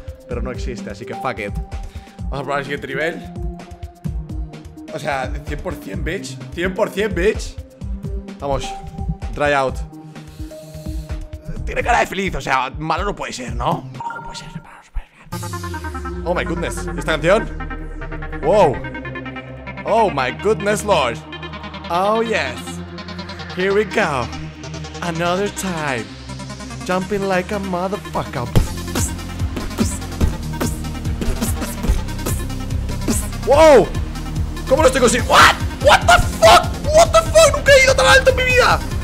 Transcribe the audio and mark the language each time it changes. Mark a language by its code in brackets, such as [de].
[es] Pero no existe, así que [en] fuck it. [es] Vamos a probar el siguiente nivel. O sea, 100%, [en] bitch. 100%, bitch. [es] Vamos, [en] try out. [es] Tiene cara de feliz, o sea, malo no puede ser, ¿no? No puede ser, malo no puede ser. [en] Oh my goodness, [es] ¿esta canción? [en] Wow. Oh my goodness, Lord. Oh yes, here we go, another time, jumping like a motherfucker. Wow, [es] ¿cómo lo estoy consiguiendo? [en] What? What the fuck? What the fuck? [es] Nunca he ido tan alto en mi vida.